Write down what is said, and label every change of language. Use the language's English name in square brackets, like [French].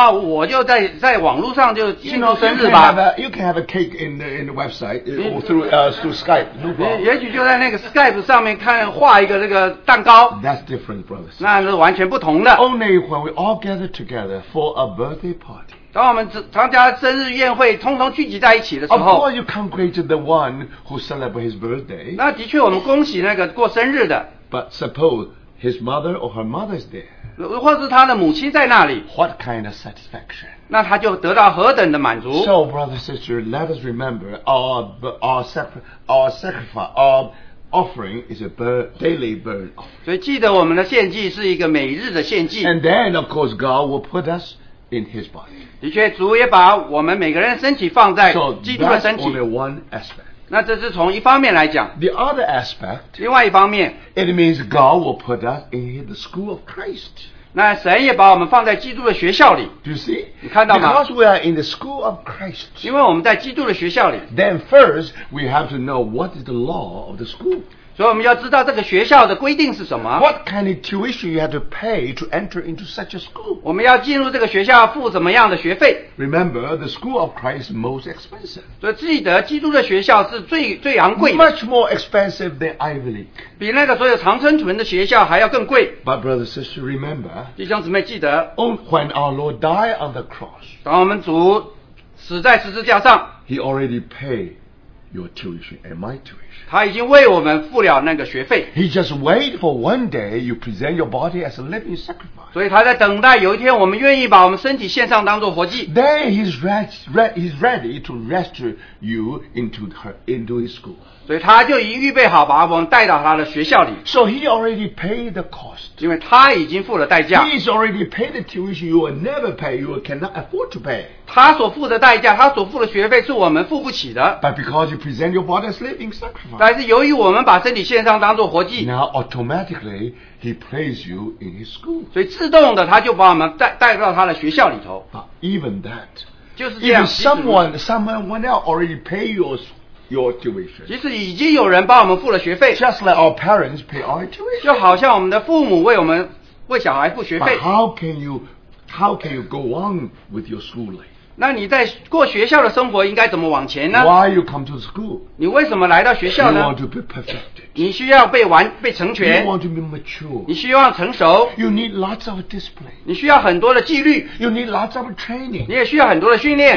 [Chinese] 那你如果也许说啊，我就在网络上就庆祝生日吧。 [English] You can have a, cake in the website or through Skype. [Chinese] 也许就在那个 Skype 上面看画一个那个蛋糕。 [English] That's different, brothers. [Chinese] 那是完全不同的。 [English] Only when we all gather together for a birthday party. [Chinese] 当我们参加生日宴会，通通聚集在一起的时候。 [English] Of course, you congratulate the one who celebrates his birthday. [Chinese] 那的确，我们恭喜那个过生日的。 [English] But suppose his mother or her mother is there. [Chinese] 或是他的母亲在那里, [English] what kind of satisfaction? [Chinese] 那他就得到何等的满足? [English] So, brother and sister, let us remember our sacrifice, our offering is a daily burn offering. [Chinese] 所以记得我们的献祭是一个每日的献祭。 [English] And then, of course, God will put us in His body. [Chinese] 的确，主也把我们每个人身体放在基督的身体。 [English] So, that's only one aspect. [Chinese] 那这是从一方面来讲, [English] the other aspect, [Chinese] 另外一方面, [English] it means God will put us in the school of Christ. [Chinese] 那神也把我们放在基督的学校里, [English] do you see? [Chinese] 你看到吗? [English] Because we are in the school of Christ, [Chinese] 因为我们在基督的学校里, [English] then first, we have to know what is the law of the school. [Chinese] 所以我们要知道这个学校的规定是什么? [English] What kind of tuition you have to pay to enter into such a school? [Chinese] 我们要进入这个学校付怎么样的学费? [English] Remember, the school of Christ is most expensive. [Chinese] 所以记得基督的学校是最昂贵的。 [English] Much more expensive than Ivy League. [Chinese] 比那个所有常春藤的学校还要更贵。 [English] But brothers and sisters, remember, [Chinese] 弟兄姊妹记得, [English] when our Lord died on the cross, [Chinese] 当我们主死在十字架上, [English] He already paid your tuition and my tuition. [Chinese] 他已经为我们付了那个学费。 [English] He just waited for one day you present your body as a living sacrifice. [Chinese] 所以他在等待有一天我们愿意把我们身体献上当作活祭。 [English] Then he's ready to rescue you into his school. [Chinese] 所以他就已经预备好把我们带到他的学校里。 [English] So he already paid the cost. [Chinese] 因为他已经付了代价。 [English] He's already paid the tuition you will never pay, you cannot afford to pay. [Chinese] 他所付的代价, 他所付的学费是我们付不起的。 [English] But because you present your body as living sacrifice. [Chinese] 但是由于我们把身体献上当作活祭。 [English] Now automatically, he placed you in his school. [Chinese] 所以自动的他就把我们带到他的学校里头。 [English] But even that, [Chinese] 就是这样, [English] if someone else already pay your tuition. [Chinese] 即使已经有人帮我们付了学费, [English] just like our parents pay our tuition. [Chinese] 就好像我们的父母为小孩付学费。 [English] But how can you go on with your schooling? [Chinese] 那你在过学校的生活应该怎么往前呢? [English] Why you come to school? [Chinese] 你为什么来到学校呢? [English] You want to be perfected. [Chinese] 你需要被成全。 [English] You want to be mature. [Chinese] 你希望成熟。 [English] You need lots of discipline. [Chinese] 你需要很多的纪律。 [English] You need lots of training. [Chinese] 你也需要很多的训练。